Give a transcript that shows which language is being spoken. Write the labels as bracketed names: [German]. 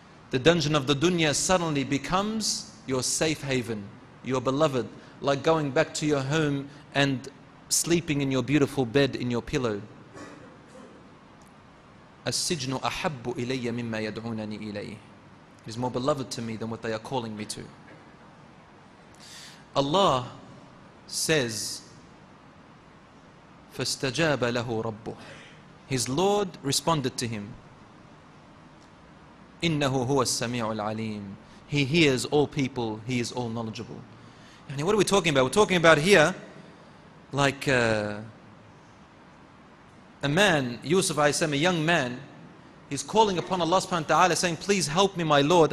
[English] The dungeon of the dunya suddenly becomes your safe haven, your beloved, like going back to your home and sleeping in your beautiful bed, in your pillow. [Arabic] As-sijnu ahabbu ilayya mimma yad'unani ilayhi. [English] It is more beloved to me than what they are calling me to. Allah says, [Arabic] فَاسْتَجَابَ لَهُ رَبُّهُ. [English] His Lord responded to him, [Arabic] إِنَّهُ هُوَ السَّمِيعُ الْعَلِيمُ. [English] He hears all people, he is all knowledgeable. And what are we talking about? We're talking about here, like a man, Yusuf alayhi salam, a young man, he's calling upon Allah subhanahu wa ta'ala saying, please help me my Lord.